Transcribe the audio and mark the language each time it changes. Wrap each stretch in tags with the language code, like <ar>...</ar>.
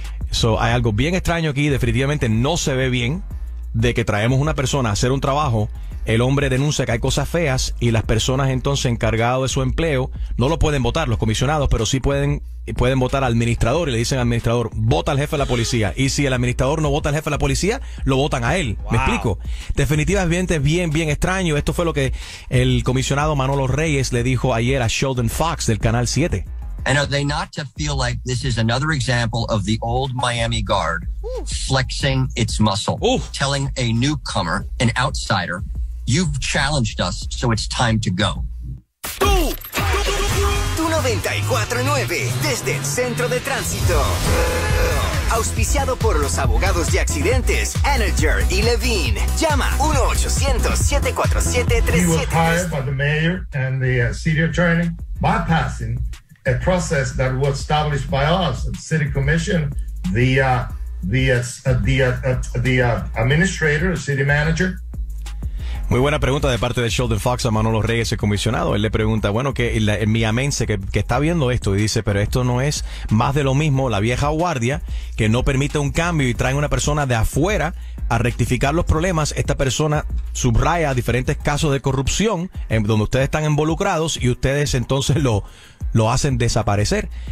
<es>So, hay algo bien extraño aquí, definitivamente no se ve bien, de que traemos una persona a hacer un trabajo, el hombre denuncia que hay cosas feas y las personas entonces encargadas de su empleo no lo pueden votar, los comisionados, pero sí pueden votar al administrador y le dicen al administrador, vota al jefe de la policía. Y si el administrador no vota al jefe de la policía, lo votan a él. Wow. ¿Me explico? Definitivamente es bien, bien extraño. Esto fue lo que el comisionado Manolo Reyes le dijo ayer a Sheldon Fox del Canal 7.</es> <en>And are they not to feel like this is another example of the old Miami Guard flexing its muscle, telling a newcomer, an outsider, you've challenged us, so it's time to go.</en> <es>Tú no 94.9 desde el centro de tránsito. Auspiciado por los abogados de accidentes Energer y Levine. Llama 1-800-747-3733.</es> <en>You were hired by the mayor and the city attorney bypassing a process that was established by us and city commission, the administrator, the city manager.</en> <es>Muy buena pregunta de parte de Sheldon Fox a Manolo Reyes, el comisionado. Él le pregunta, bueno, que el miamense que está viendo esto y dice, pero esto no es más de lo mismo, la vieja guardia que no permite un cambio y traen una persona de afuera a rectificar los problemas. Esta persona subraya diferentes casos de corrupción en donde ustedes están involucrados y ustedes entonces lo hacen desaparecer.</es>